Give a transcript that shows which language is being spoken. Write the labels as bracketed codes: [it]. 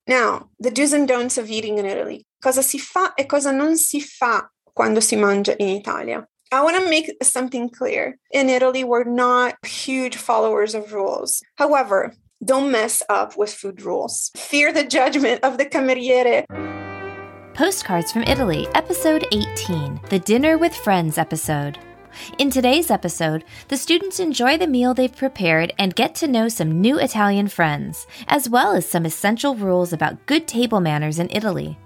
[en] Now, the do's and don'ts of eating in Italy. [it] Cosa si fa e cosa non si fa quando si mangia in Italia? [en] I want to make something clear. In Italy, we're not huge followers of rules. However, don't mess up with food rules. Fear the judgment of the cameriere. Postcards from Italy, Episode 18, the Dinner with Friends episode. In today's episode, the students enjoy the meal they've prepared and get to know some new Italian friends, as well as some essential rules about good table manners in Italy.